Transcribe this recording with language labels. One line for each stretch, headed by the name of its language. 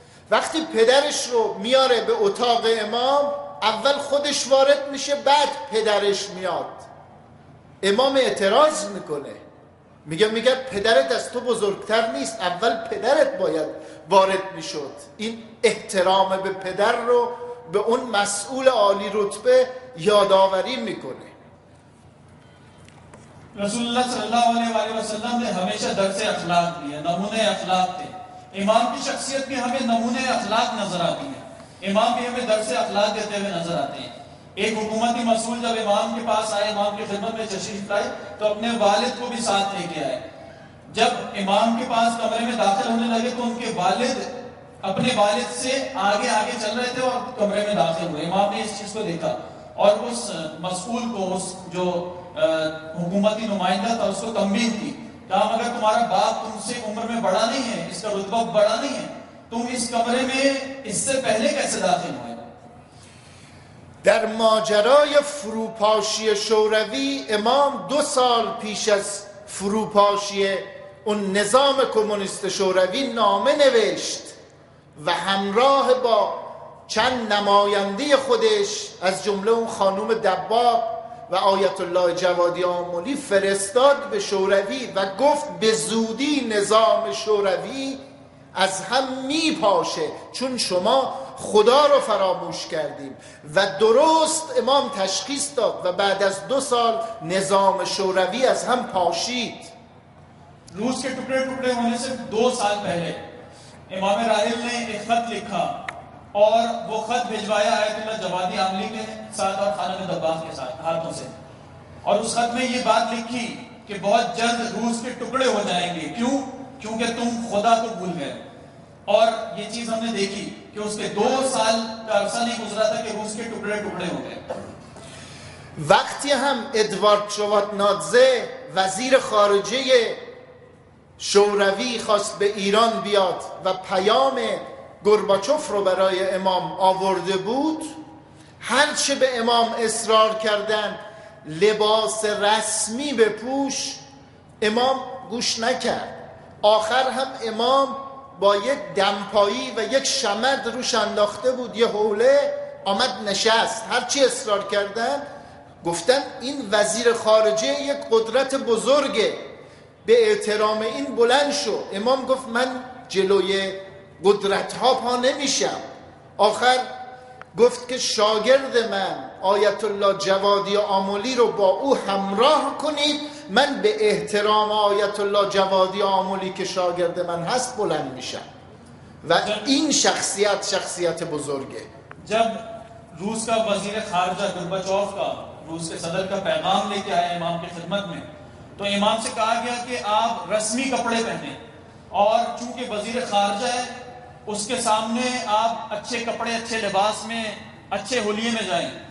Persian: وقتی پدرش رو میاره به اتاق امام، اول خودش وارد میشه، بعد پدرش میاد. امام اعتراض میکنه، میگه پدرت از تو بزرگتر نیست، اول پدرت باید وارد میشد. این احترام به پدر رو، به اون مسئول عالی رتبه، یاداوری میکنه.
Urdu: رسول اللہ صلی اللہ علیہ وآلہ وسلم نے ہمیشہ درس اخلاق دیا، نمونے اخلاق تھے. امام کی شخصیت بھی ہمیں نمونے اخلاق نظر آتی ہے، امام بھی ہمیں درس اخلاق دیتے ہوئے نظر آتے ہیں. ایک حکومتی مسئول جب امام کے پاس آئے، امام کی خدمت میں تشریف لائے، تو اپنے والد کو بھی ساتھ لے کے آئے. جب امام کے پاس کمرے میں داخل ہونے لگے تو ان کے والد اپنے والد سے آگے آگے چل رہے تھے اور کمرے میں داخل ہوئے. امام نے اس چیز کو دیکھا اور اس مسئول کو، اس جو حکومتی نمائندہ تھا، اس کو تنبیہ کی کہ اگر تمہارا باپ تم سے عمر میں بڑا نہیں ہے، اس کا رتبہ بڑا نہیں ہے، تم اس کمرے میں اس سے پہلے کیسے داخل ہوئے؟
Persian: در ماجرای فروپاشی شوروی، امام دو سال پیش از فروپاشی اون نظام کمونیست شوروی نامه نوشت و همراه با چند نماینده خودش از جمله اون خانوم دباغ و آیت الله جوادی آملی فرستاد به شوروی و گفت به زودی نظام شوروی از هم میپاشه چون شما خدا رو فراموش کردیم. و درست امام تشخیص داد و بعد از دو سال نظام شوروی از هم پاشید.
Urdu: روس کے ٹکڑے ٹکڑے ہونے سے دو سال پہلے امام راحل نے ایک خط لکھا اور وہ خط بھیجوایا آیت اللہ جوادی عاملی کے ساتھ اور خانہ دباغ کے ساتھ ہاتھوں سے، اور اس خط میں یہ بات لکھی کہ بہت جلد روس کے ٹکڑے ہو جائیں گے. کیوں؟ کیونکہ تم خدا کو بھول گئے. اور یہ چیز ہم نے دیکھی کہ اس کے دو سال کا عرصہ نہیں گزرا تھا کہ روس کے ٹکڑے ٹکڑے ہو گئے.
Persian: وقتی ہم ادوارد شوادنادزه وزیر خارجه شوروی خواست به ایران بیاد و پیام گورباچوف رو برای امام آورده بود، هرچه به امام اصرار کردند لباس رسمی بپوش، امام گوش نکرد. آخر هم امام با یک دمپایی و یک شمد روش انداخته بود یه حوله، آمد نشست. هرچی اصرار کردند گفتن این وزیر خارجه یک قدرت بزرگه، به احترام این بلند شو. امام گفت من جلوی قدرت ها پا نمیشم. آخر گفت که شاگرد من آیت الله جوادی آملی رو با او همراه کنید، من به احترام آیت الله جوادی آملی که شاگرد من هست بلند میشم. و این شخصیت، شخصیت بزرگه.
Urdu: جب روس کا وزیر خارجہ گورباچوف کا روس کے صدر کا پیغام لے کے آیا امام کی خدمت میں، تو امام سے کہا گیا کہ آپ رسمی کپڑے پہنیں، اور چونکہ وزیر خارجہ ہے اس کے سامنے آپ اچھے کپڑے، اچھے لباس میں، اچھے حلیے میں جائیں.